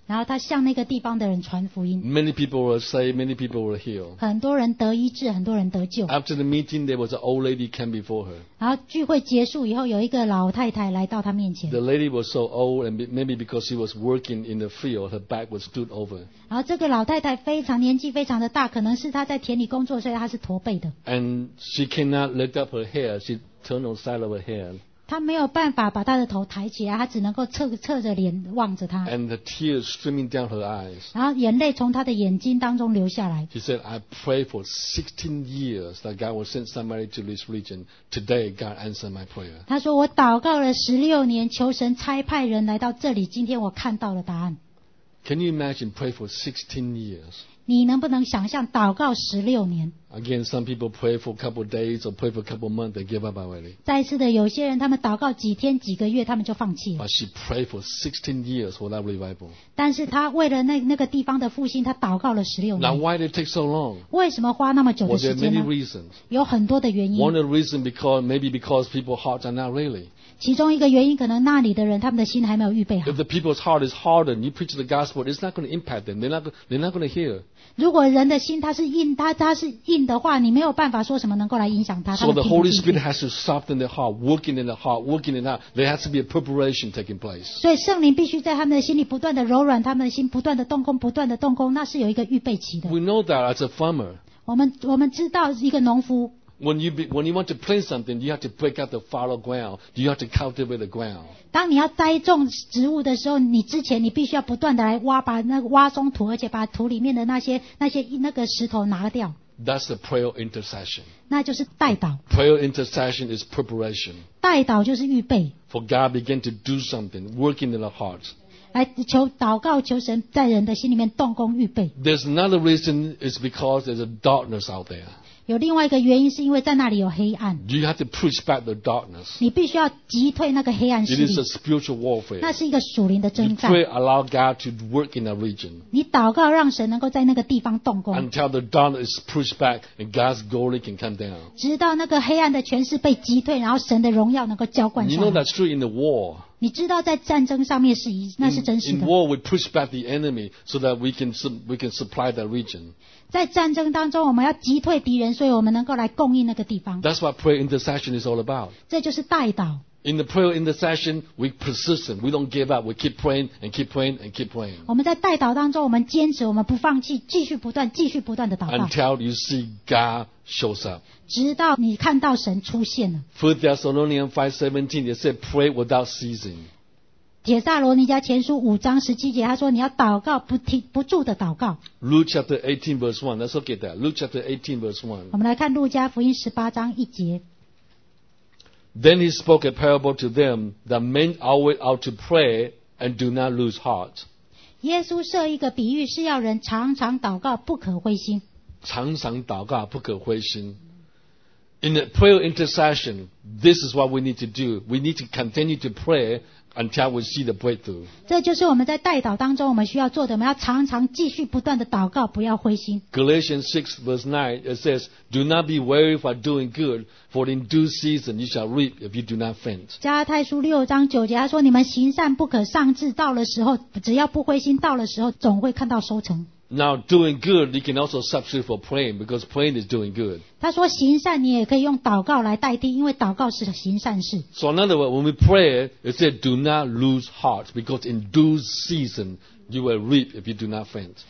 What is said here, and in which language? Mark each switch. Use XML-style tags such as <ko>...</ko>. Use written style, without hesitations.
<zh>然后她向那个地方的人传福音。</zh> <en>Many people were saved, many people were healed.</en> <zh>很多人得医治，很多人得救。</zh> <en>After the meeting, there was an old lady came before her.</en> <zh>然后聚会结束以后，有一个老太太来到她面前。</zh> <en>The lady was so old, and maybe because she was working in the field, her back was stood over.</en> <zh>然后这个老太太非常年纪非常的大，可能是她在田里工作，所以她是驼背的。</zh> <en>And she cannot lift up her hair. She turned on the side of her hair.</en> <zh>她没有办法把她的头抬起来，她只能够侧着脸望着她。</zh> <en>And the tears streaming down her eyes.</en> <zh>然后眼泪从她的眼睛当中流下来。</zh> <en>She said, "I prayed for 16 years that God will send somebody to this region. Today, God answered my prayer."</en> <zh>她说，我祷告了16年，求神差派人来到这里。今天我看到了答案。</zh> <en>Can you imagine pray for 16 years?</en> <zh>你能不能想象祷告16年？</zh> <en>Again, some people pray for a couple of days or pray for a couple of months, they give up already.</en> <zh>再次的，有些人他们祷告几天几个月，他们就放弃了。</zh> <en>But she prayed for 16 years for that revival.</en> <zh>但是她为了那个地方的复兴，她祷告了16年。</zh> <en>Now why did it take so long?</en> <zh>为什么花那么久的时间呢？</zh> <en>Well, there are many reasons.</en> <zh>有很多的原因。</zh> <en>One of the reasons because people's hearts are not ready.</en> <zh>其中一个原因可能那里的人他们的心还没有预备好。</zh> <en>If the people's heart is hardened, you preach the gospel, it's not going to impact them. They're not going to hear.</en> <zh>如果人的心他是硬的话，你没有办法说什么能够来影响他。</zh> <en>So the Holy Spirit has to soften their heart, working in their heart, working in that. There has to be a preparation taking place.</en> <zh>所以圣灵必须在他们的心里不断的柔软，他们的心不断的动工，不断的动工，那是有一个预备期的。</zh> <en>We know that as a farmer.</en> <zh>我们知道一个农夫。</zh> <en>When you want to plant something, you have to break out the fallow ground. You have to cultivate the ground.</en> <zh>当你要栽种植物的时候，你之前你必须要不断的来挖，把那个挖松土，而且把土里面的那些石头拿掉。</zh> <en>That's the prayer intercession.</en> <zh>那就是代祷。</zh> <en>Prayer intercession is preparation.</en> <zh>代祷就是预备。</zh> <en>For God begin to do something, working in the heart.</en> <zh>来求祷告，求神在人的心里面动工预备。</zh> <en>There's another reason is because there's a darkness out there.</en> <zh>有另外一个原因是因为在那里有黑暗。</zh> <en>You have to push back the darkness.</en> <zh>你必须要击退那个黑暗势力。</zh> <en>It is a spiritual warfare.</en> <zh>那是一个属灵的征战。</zh> <en>You pray, allow God to work in a region.</en> <zh>你祷告让神能够在那个地方动工。</zh> <en>Until the darkness is pushed back and God's glory can come down.</en> <zh>直到那个黑暗的权势被击退，然后神的荣耀能够浇灌下来。</zh> <en>You know that's true in the war.</en> <zh>你知道在战争上面那是真实的。</zh> <en>In war, we push back the enemy so that we can supply that region.</en> <zh>在战争当中，我们要击退敌人，所以我们能够来供应那个地方。</zh> <en>That's what prayer intercession is all about.</en> <zh>这就是代祷。</zh> <en>In the prayer intercession, we persistent. We don't give up. We keep praying and keep praying and keep praying.</en> <zh>我们在代祷当中，我们坚持，我们不放弃，继续不断的祷告。</zh> <en>Until you see God shows up.</en> <zh>直到你看到神出现了。</zh> <en>First Thessalonians 5:17, it said, "Pray without ceasing."</en> <zh>帖撒罗尼迦前书5:17，他说你要祷告不住的祷告。</zh> <en>Luke chapter 18 verse 1. Let's look at that. Luke chapter 18 verse 1.</en> <zh>我们来看路加福音18:1。</zh> <en>Then he spoke a parable to them that men always ought to pray and do not lose heart.</en> <zh>耶稣设一个比喻，是要人常常祷告，不可灰心。常常祷告，不可灰心。</zh> <en>In the prayer intercession, this is what we need to do. We need to continue to pray until we see the breakthrough.</en> <zh>这就是我们在代祷当中我们需要做的。我们要常常继续不断的祷告，不要灰心。</zh> <en>Galatians 6 verse 9, it says, "Do not be weary for doing good, for in due season you shall reap if you do not faint."</en> <zh>加太书6:9，他说你们行善不可丧志，到了时候只要不灰心，到了时候总会看到收成。</zh> <en>Now doing good, you can also substitute for praying because praying is doing good.</en> <zh>他说行善你也可以用祷告来代替，因为祷告是行善事。</zh> <en>So in other words, when we pray, it says do not lose heart because in due season you will reap if you do not faint.</en>